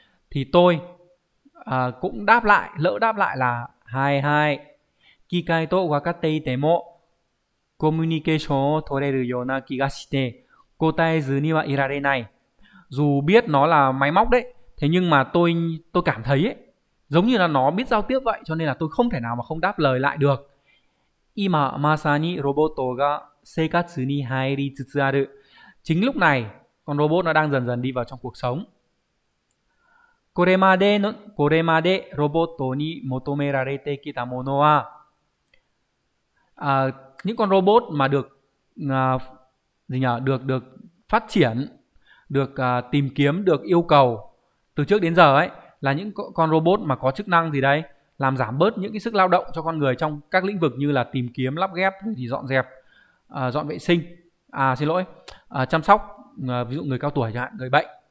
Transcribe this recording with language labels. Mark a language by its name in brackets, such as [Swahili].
[Vietnamese] Thì tôi cũng đáp lại, lỡ đáp lại là [Japanese] hai hai kikai to wakatte ite mo communication を取れるような気がして答えずにはいられない. [Vietnamese] Dù biết nó là máy móc đấy, thế nhưng mà tôi cảm thấy ấy, giống như là nó biết giao tiếp vậy, cho nên là tôi không thể nào mà không đáp lời lại được. [Japanese] 今まさにロボットが生活に入りつつある. [Vietnamese] Chính lúc này con robot nó đang dần dần đi vào trong cuộc sống. [Japanese] これまでロボットに求められてきたものは [Vietnamese] những con robot mà được gì nhỉ, được phát triển, được tìm kiếm, được yêu cầu từ trước đến giờ ấy, là những con robot mà có chức năng gì đấy, làm giảm bớt những cái sức lao động cho con người trong các lĩnh vực như là tìm kiếm, lắp ghép, thì dọn dẹp, dọn vệ sinh, chăm sóc ví dụ người cao tuổi chẳng hạn, người bệnh.